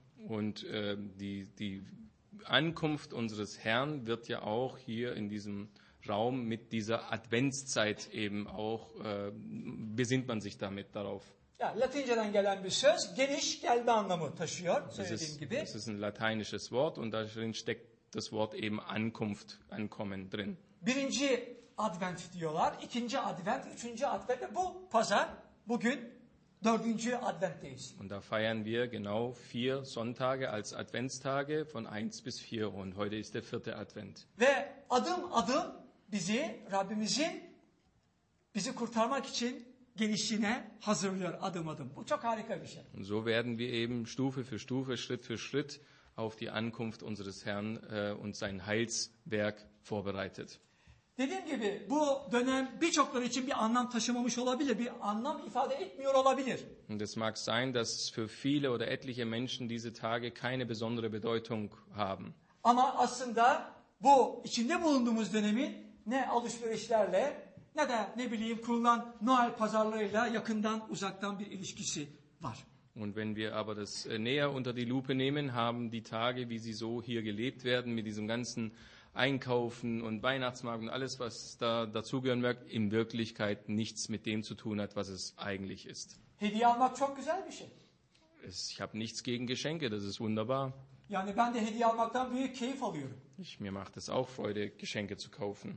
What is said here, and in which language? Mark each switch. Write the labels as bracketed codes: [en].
[de] Und die Ankunft unseres Herrn wird ja auch hier in diesem Raum mit dieser Adventszeit eben auch besinnt man sich damit darauf. [tr] Ja, Latinceden gelen bir söz, geniş gelme anlamı taşıyor. Söylediğim gibi. [de] Das ist ein lateinisches Wort und darin steckt das Wort eben Ankunft, Ankommen drin. [tr] Birinci Advent diyorlar, ikinci Advent, üçüncü Advent ve bu pazar, bugün dördüncü Advent'teyiz. [de] Und da feiern wir genau vier Sonntage als Adventstage von 1 bis 4 und heute ist der vierte Advent. [tr] Ve adım adım bizi, Rabbimizin bizi kurtarmak için gelişine hazırlıyor adım adım. Bu çok harika bir şey. [de] So werden wir eben Stufe für Stufe, Schritt für Schritt auf die Ankunft unseres Herrn und sein Heilswerk vorbereitet. [tr] Dediğim gibi bu dönem birçokları için bir anlam taşımamış olabilir, bir anlam ifade etmiyor olabilir. [de] Das mag sein, dass für viele oder etliche Menschen diese Tage keine besondere Bedeutung haben. [tr] Ama aslında bu içinde bulunduğumuz dönemin ne alışverişlerle ne de ne bileyim kurulan Noel pazarlarıyla yakından uzaktan bir ilişkisi var. [de] Und wenn wir aber das näher unter die Lupe nehmen, haben die Tage, wie sie so hier gelebt werden, mit diesem ganzen Einkaufen und Weihnachtsmarkt und alles, was da dazugehören mag, in Wirklichkeit nichts mit dem zu tun hat, was es eigentlich ist. [tr] Hediye almak çok güzel bir şey. [de] Ich habe nichts gegen Geschenke, das ist wunderbar. [tr] Yani ben de hediye almaktan büyük keyif alıyorum. [de] Mir macht es auch Freude, Geschenke zu kaufen.